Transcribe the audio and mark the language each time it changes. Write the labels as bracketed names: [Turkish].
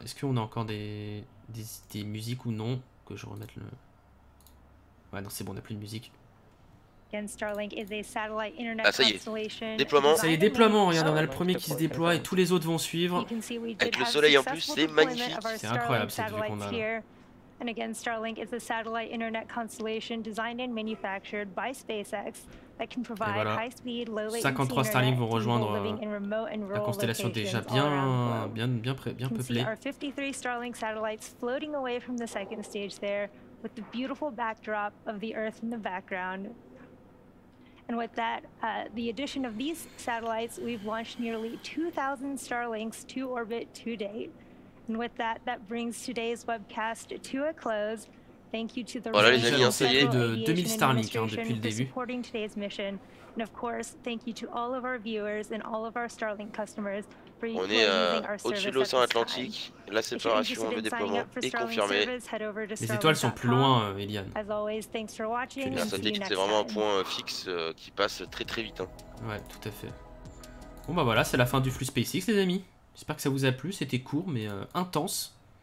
[French] Est-ce qu'on a encore des musiques ou non? Que je remette le. Ouais, non, c'est bon, on n'a plus de musique. Ah, ça y est. Déploiement. Ça y est, déploiement. Regarde, on a le premier qui se déploie et tous les autres vont suivre. Avec le soleil en plus, c'est magnifique. C'est incroyable cette vue qu'on a là. [English] And again, Starlink is a satellite internet constellation designed and manufactured by SpaceX [French] Voilà. 53 Starlink vont rejoindre la constellation déjà bien peuplée. [English] With the beautiful backdrop of the Earth in the background. And with that, the addition of these satellites, we've launched nearly 2,000 Starlinks to orbit to date. And with that, that brings today's webcast to a close. Thank you to the supporting today's mission. And of course, thank you to all of our viewers and all of our Starlink customers. [French] On est au-dessus de l'océan Atlantique, la séparation en déploiement est confirmée. Les étoiles sont plus loin, Eliane. C'est vraiment un point fixe qui passe très très vite. Hein. Ouais, tout à fait. Bon bah voilà, c'est la fin du flux SpaceX, les amis. J'espère que ça vous a plu, c'était court mais intense.